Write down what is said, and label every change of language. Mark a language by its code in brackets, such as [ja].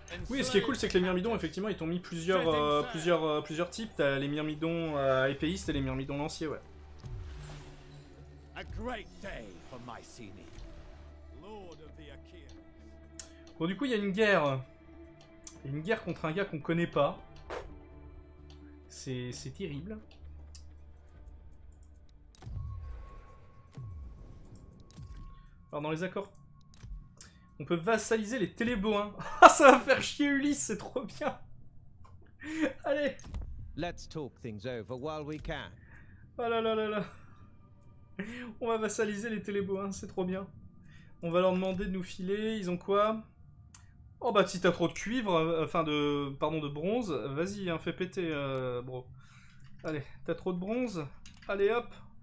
[fr] Oui, ce qui est cool, c'est que les Myrmidons, effectivement, ils t'ont mis plusieurs types. T'as les Myrmidons épéistes et les Myrmidons lanciers, ouais. [en] A great day for Mycenae, Lord of the Achaeans. [fr] Bon, du coup, il y a une guerre. Une guerre contre un gars qu'on connaît pas. C'est terrible. Alors, dans les accords, on peut vassaliser les Téléboins. Ah, ça va faire chier Ulysse, c'est trop bien. Allez. [en] Let's talk things over while we can. [fr] Oh là là là là. On va vassaliser les Téléboins, c'est trop bien. On va leur demander de nous filer. Ils ont quoi? Oh bah si t'as trop de cuivre, de bronze, vas-y, hein, fais péter, bro. Allez, t'as trop de bronze, allez hop.